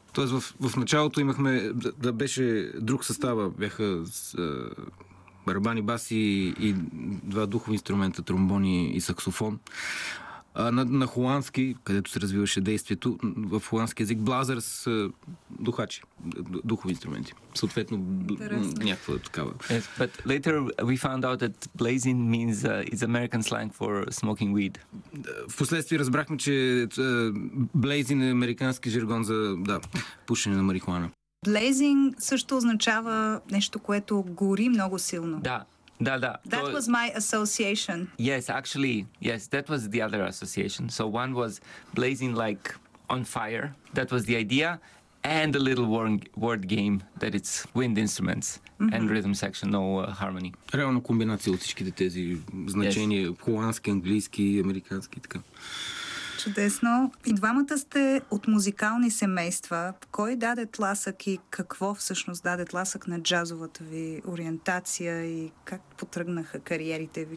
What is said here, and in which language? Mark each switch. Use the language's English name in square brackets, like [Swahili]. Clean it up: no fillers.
[Bulgarian] Тоест в началото имахме да беше друг състава, бяха барабани, баси и два духови инструмента, тромбони и саксофон. На холандски, където се развиваше действието, в холандски език blazers, духачи, духови инструменти. Съответно, някаква такава. [English] Yes, but later we found out that blazing means is American slang for smoking weed. [Bulgarian] Впоследствие разбрахме, че blazing е американски жаргон за пушене на марихуана. Blazing също означава нещо, което гори много силно. Да. Да, да. [English] That was my association. Yes, actually, yes, that was the other association. So one was blazing like on fire. That was the idea. And a little word game that it's wind instruments and rhythm section, no harmony. [Bulgarian] Реална комбинация от всичките тези значения. [English] Yes. [Bulgarian] Холандски, английски, американски и така. Чудесно. И двамата сте от музикални семейства. Кой даде тласък и какво всъщност даде тласък на джазовата ви ориентация и как потръгнаха кариерите ви?